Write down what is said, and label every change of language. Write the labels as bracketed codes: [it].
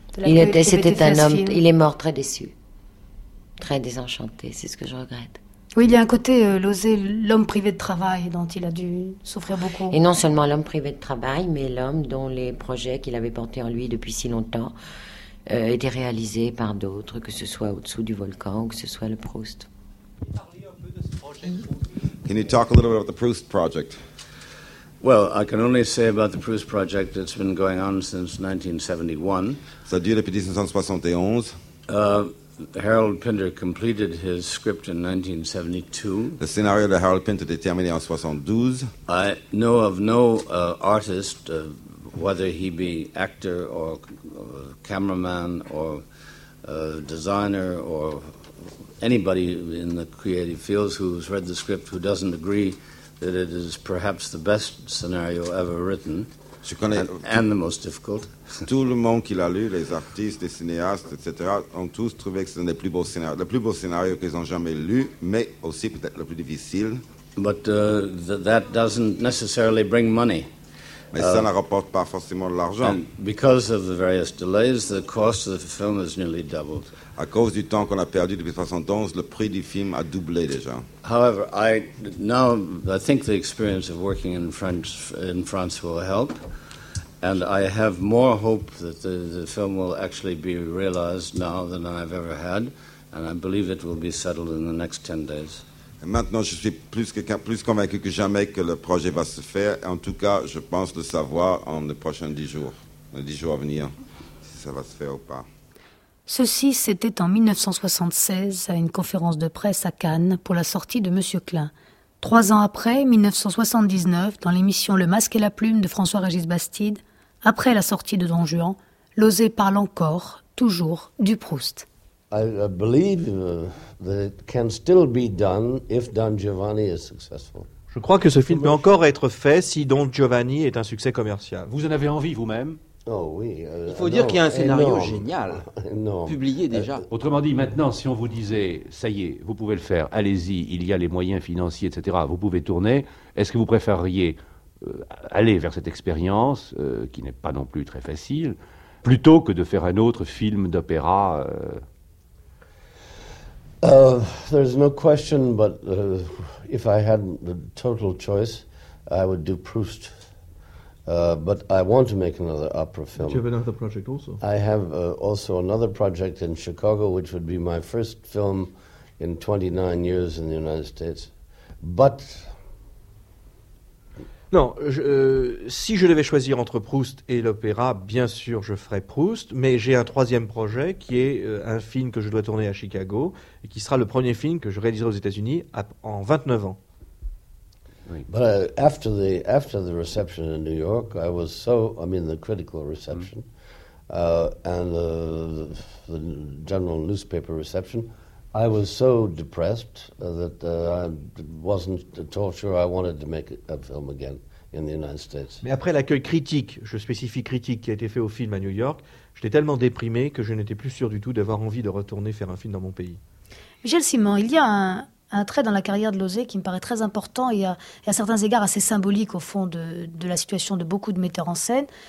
[fr] C'était un homme, il est mort très déçu, très désenchanté, c'est ce que je regrette. Oui, il y a un côté, Lozay, l'homme privé de travail, dont il a dû souffrir beaucoup. Et non seulement l'homme privé de travail, mais l'homme dont les projets qu'il avait portés en lui depuis si longtemps étaient réalisés par d'autres, que ce soit au-dessous du volcan ou que ce soit le Proust. [en] Can you talk a little bit about the Proust project? Well, I can only say about the Proust project that's been going on since 1971. [fr] Ça dure depuis 1971. [en] Harold Pinter completed his script in 1972. [fr] Le scénario de Harold Pinter est terminé en 72. [en] I know of no artist, whether he be actor or cameraman or designer or anybody in the creative fields who's read the script who doesn't agree that it is perhaps the best scenario ever written, and the most difficult. [fr] Tout le monde qui l'a lu, les artistes, les cinéastes, etc., ont tous trouvé que c'est un des plus beaux scénarios, le plus beau scénario qu'ils ont jamais lu, mais aussi peut-être le plus difficile. [en] But that doesn't necessarily bring money. [fr] Mais ça ne rapporte pas forcément de l'argent. [en] And because of the various delays, the cost of the film has nearly doubled. [fr] À cause du temps qu'on a perdu depuis 71, le prix du film a doublé déjà. [en] However, I think the experience of working in France will help, and I have more hope that the film will actually be realized now than I've ever had, and I believe it will be settled in the next 10 days. [fr] Et maintenant, je suis plus convaincu que jamais que le projet va se faire. En tout cas, je pense le savoir en les prochains 10 jours, les 10 jours à venir, si ça va se faire ou pas. Ceci, c'était en 1976, à une conférence de presse à Cannes, pour la sortie de Monsieur Klein. 3 ans après, 1979, dans l'émission Le Masque et la Plume de François-Régis Bastide, après la sortie de Don Juan, Lozay parle encore, toujours, du Proust. [en] I believe that it can still be done if Don Giovanni is successful. [fr] Je crois que ce film peut encore être fait si Don Giovanni est un succès commercial. Vous en avez envie vous-même? Oh, oui. Il faut dire qu'il y a un scénario énorme. Génial, énorme. Publié déjà. Autrement dit, maintenant, si on vous disait, ça y est, vous pouvez le faire, allez-y, il y a les moyens financiers, etc., vous pouvez tourner, est-ce que vous préféreriez aller vers cette expérience, qui n'est pas non plus très facile, plutôt que de faire un autre film d'opéra [en] There's no question, but if I had the total choice, I would do Proust. But I want to make another opera film. Do you have another project also? I have also another project in Chicago, which would be my first film in 29 years in the United States. But... [fr] Non, si je devais choisir entre Proust et l'opéra, bien sûr, je ferais Proust. Mais j'ai un troisième projet qui est un film que je dois tourner à Chicago et qui sera le premier film que je réaliserai aux États-Unis en 29 ans. [en] But after the reception in New York, I was so, I mean, the critical reception and the general newspaper reception, I was so depressed that I wasn't at all sure I wanted to make a film again in the United States. [fr] Mais après l'accueil critique, je spécifie critique, qui a été fait au film à New York, j'étais tellement déprimé que je n'étais plus sûr du tout d'avoir envie de retourner faire un film dans mon pays. Michel Simon, il y a un trait dans la carrière de Lozé qui me paraît très important et à certains égards assez symbolique au fond de la situation de beaucoup de metteurs en scène.